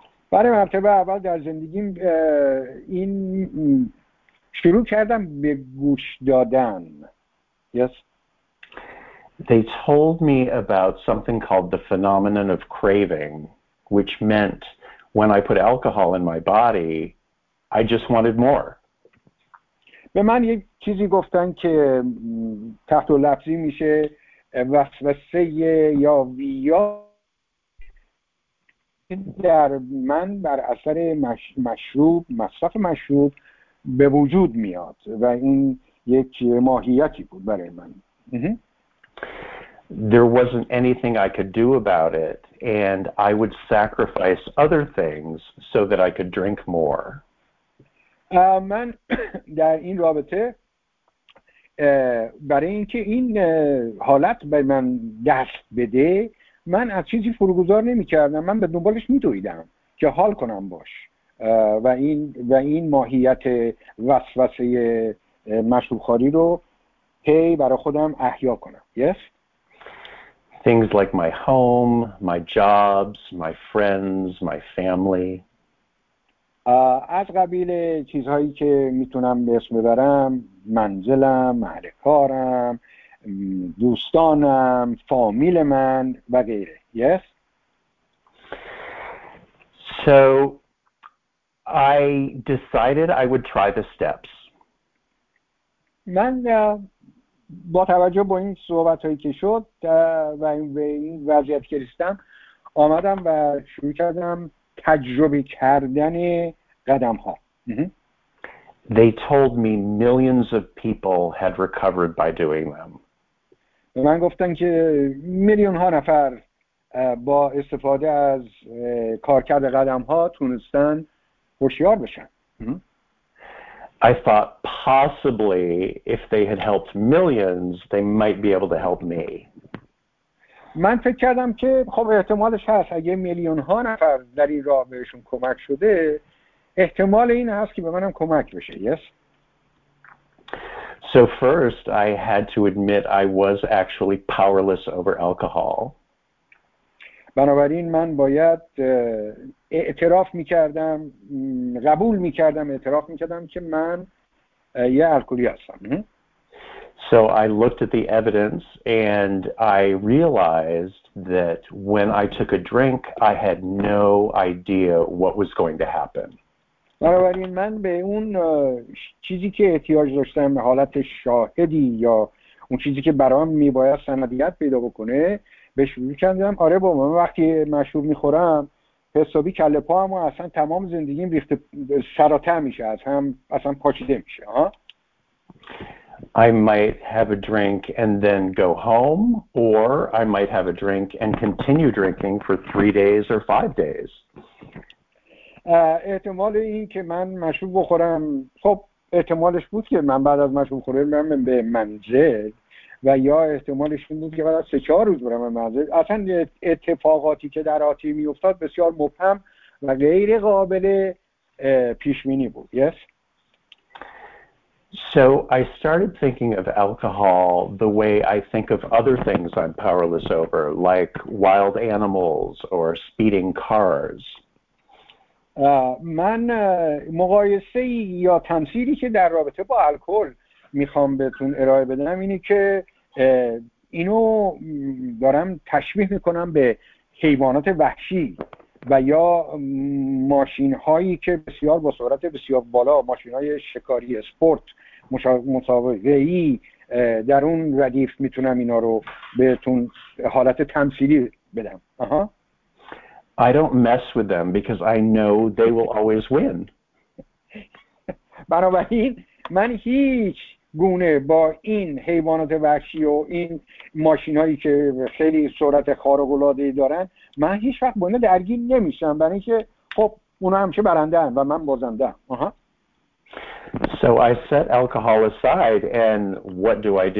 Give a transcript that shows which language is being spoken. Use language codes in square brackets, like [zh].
[fa] برای مرتبه اول در زندگیم این شروع کردم به گوش دادن. [en] Yes. They told me about something called the phenomenon of craving, which meant when I put alcohol in my body, I just wanted more. [fa] به من یک چیزی گفتن که تحت لفظی میشه وسوسه یا ویا در من بر اثر مشروب، مصرف مشروب به وجود میاد و این یک ماهیتی بود برای من. [en] There wasn't anything I could do about it, and I would sacrifice other things so that I could drink more. [fa] من در این رابطه برای اینکه این حالت به من دست بده، من از چیزی فروگذار نمی کردم، من به دنبالش می دویدم که حال کنم باش، و این ماهیت وسوسه مشروبخواری رو هی برای خودم احیا کنم. [en] Yes. Things like my home, my jobs, my friends, my family. [fa] از قبیل چیزهایی که میتونم به اسم ببرم، منزلم، اهل کارم، دوستانم، فامیل من و غیره. [en] Yes. So I decided I would try the steps. [fa] من با توجه به این صحبت‌هایی که شد و این وضعیت که رسیدم، آمدم و شروع کردم تجربه کردن قدم‌ها. [en] They told me millions of people had recovered by doing them. [fa] به من گفتن که میلیون‌ها نفر با استفاده از کارکرد قدم‌ها تونستن هوشیار بشن. [en] I thought possibly if they had helped millions, they might be able to help me. [fa] من فکر کردم که خب احتمالش هست اگه میلیون ها نفر در این راه بهشون کمک شده، احتمال این هست که به منم کمک بشه. [en] Yes. So first I had to admit I was actually powerless over alcohol. [fa] بنابراین من باید اعتراف میکردم، قبول میکردم، اعتراف میکردم که من یه الکلی هستم. [en] So I looked at the evidence and I realized that when I took a drink, I had no idea what was going to happen. [fa] بنابراین من به اون چیزی که احتیاج داشتم، حالت شاهدی یا اون چیزی که برام میباید سندیت پیدا بکنه، به شروع کردم. آره بابا، من وقتی مشروب میخورم حسابی کله پا هم و اصلا تمام زندگیم ریخت سراته میشه، از هم اصلا پاچیده میشه. [en] I might have a drink and then go home, or I might have a drink and continue drinking for 3 days or 5 days. [fa] احتمال این که من مشروب بخورم، خب احتمالش بود که من بعد از مشروب خوردن برم به منزل، و یا احتمالش این بود که بعد از 3-4 روز برم به منزل. اصلا اتفاقاتی که در آتی می افتاد بسیار مبهم و غیر قابل پیشبینی بود. [en] Yes. So I started thinking of alcohol the way I think of other things I'm powerless over, like wild animals or speeding cars. [fa] من مقایسه یا تمثیلی که در رابطه با الکل میخوام بهتون ارائه بدم اینه که اینو دارم تشبیه میکنم به حیوانات وحشی و یا ماشین هایی که بسیار با سرعت بسیار بالا، ماشین های شکاری، اسپورت، مسابقه ای، در اون ردیف میتونم اینا رو بهتون حالت تمثیلی بدم. [en] I don't mess with them because I know they will always win. [fa] بنابراین من هیچ گونه با این حیوانات وحشی و این ماشین هایی که خیلی سرعت خارق العاده دارن من هیچ وقت با اینا درگیر نمیشم برای اینکه خب اونا همیشه برنده هم و من بازنده هم. [en] So I set alcohol aside, and what do?